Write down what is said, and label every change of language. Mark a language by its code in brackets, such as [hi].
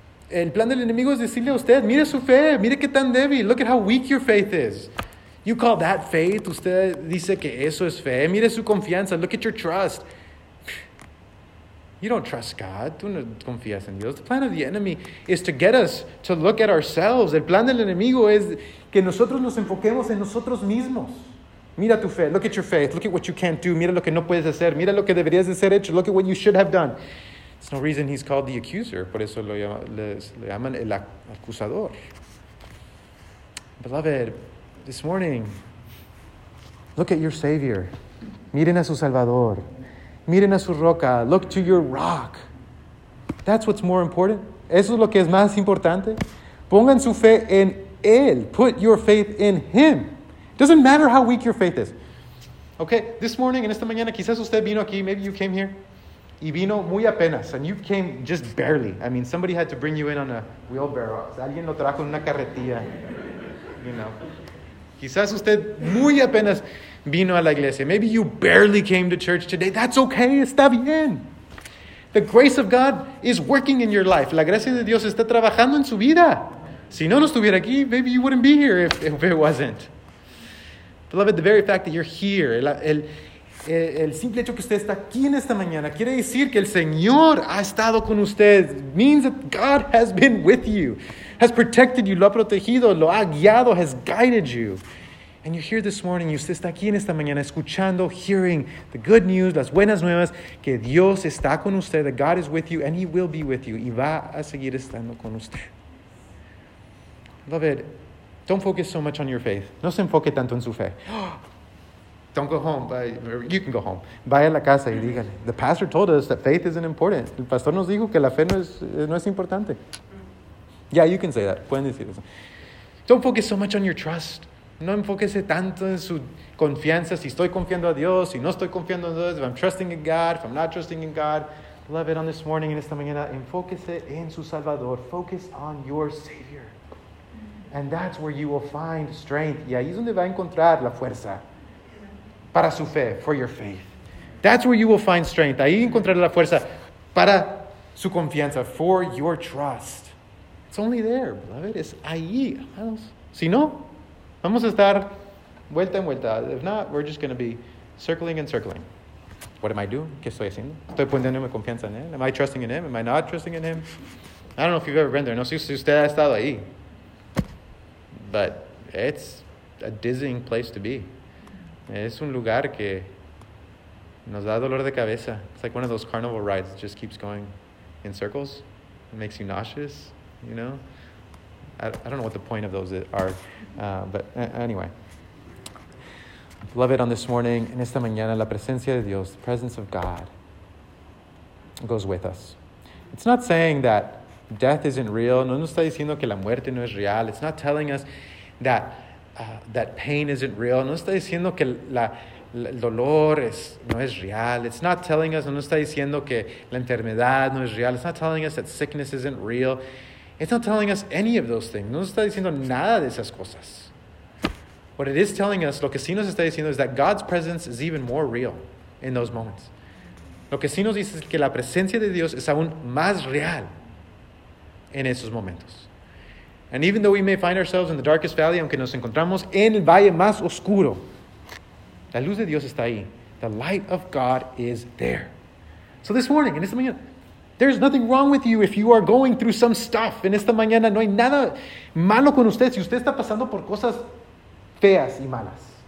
[es] El plan del enemigo es decirle a usted, mire su fe, mire qué tan débil, [en] look at how weak your faith is. You call that faith, [es] usted dice que eso es fe, mire su confianza, [en] look at your trust. You don't trust God, [es] tú no confías en Dios. [en] The plan of the enemy is to get us to look at ourselves. [es] El plan del enemigo es que nosotros nos enfoquemos en nosotros mismos. Mira tu fe, [en] look at your faith, look at what you can't do, [es] mira lo que no puedes hacer, mira lo que deberías de ser hecho, [en] look at what you should have done. It's no reason he's called the accuser. [es] Por eso lo llaman el acusador. [en] Beloved, this morning, look at your Savior. [es] Miren a su Salvador. Miren a su roca. [en] Look to your rock. That's what's more important. [es] Eso es lo que es más importante. Pongan su fe en Él. [en] Put your faith in Him. It doesn't matter how weak your faith is. [es] Okay, [en] this morning, [es] en esta mañana, quizás usted vino aquí. [en] Maybe you came here. [es] Y vino muy apenas. [en] And you came just barely. I mean, somebody had to bring you in on a wheelbarrow. [es] Alguien lo trajo en una carretilla. [en] You know. [es] Quizás usted muy apenas vino a la iglesia. [en] Maybe you barely came to church today. That's okay. [es] Está bien. [en] The grace of God is working in your life. [es] La gracia de Dios está trabajando en su vida. Si no estuviera aquí, [en] maybe you wouldn't be here if it wasn't. Beloved, the very fact that you're here, [es] el simple hecho que usted está aquí en esta mañana, quiere decir que el Señor ha estado con usted. [en] Means that God has been with you, has protected you, [es] lo ha protegido, lo ha guiado, [en] has guided you. And you're here this morning, [es] y usted está aquí en esta mañana, escuchando, [en] hearing the good news, [es] las buenas nuevas, que Dios está con usted, [en] that God is with you, and He will be with you, [es] y va a seguir estando con usted. [en] Beloved, don't focus so much on your faith. [es] No se enfoque tanto en su fe. [en] Don't go home. You can go home. [es] Vaya a la casa y dígale. [en] The pastor told us that faith isn't important. [es] El pastor nos dijo que la fe no es importante. [en] Yeah, you can say that. [es] Pueden decir eso. [en] Don't focus so much on your trust. [es] No enfóquese tanto en su confianza. Si estoy confiando a Dios, si no estoy confiando en Dios. [en] If I'm trusting in God, [es] if I'm not trusting in God. [en] Love it on this morning, [es] en esta mañana. Enfóquese en su Salvador. [en] Focus on your Savior. And that's where you will find strength. [es] Y ahí es donde va a encontrar la fuerza. Para su fe, [en] for your faith. That's where you will find strength. [es] Ahí encontrará la fuerza para su confianza, [en] for your trust. It's only there, beloved. [es] Es ahí, amados. Si no, vamos a estar vuelta en vuelta. [en] If not, we're just going to be circling and circling. What am I doing? [es] ¿Qué estoy haciendo? ¿Estoy poniendo mi confianza en Él? [en] Am I trusting in Him? Am I not trusting in Him? I don't know if you've ever been there. [es] No sé si usted ha estado ahí. [en] But it's a dizzying place to be. [es] Es un lugar que nos da dolor de cabeza. [en] It's like one of those carnival rides that just keeps going in circles. It makes you nauseous, you know? I don't know what the point of those are. But anyway. Beloved, on this morning, [es] en esta mañana, la presencia de Dios, [en] the presence of God, goes with us. It's not saying that death isn't real. [es] No nos está diciendo que la muerte no es real. [en] It's not telling us that that pain isn't real. [es] No está diciendo que el dolor no es real. [en] It's not telling us, [es] no está diciendo que la enfermedad no es real. [en] It's not telling us that sickness isn't real. It's not telling us any of those things. [es] No está diciendo nada de esas cosas. [en] What it is telling us, [es] lo que sí nos está diciendo, [en] is that God's presence is even more real in those moments. [es] Lo que sí nos dice es que la presencia de Dios es aún más real en esos momentos. [en] And even though we may find ourselves in the darkest valley, [es] aunque nos encontramos en el valle más oscuro, la luz de Dios está ahí. [en] The light of God is there. So this morning, [es] en esta mañana, [en] there's nothing wrong with you if you are going through some stuff. [es] En esta mañana, no hay nada malo con usted si usted está pasando por cosas feas y malas.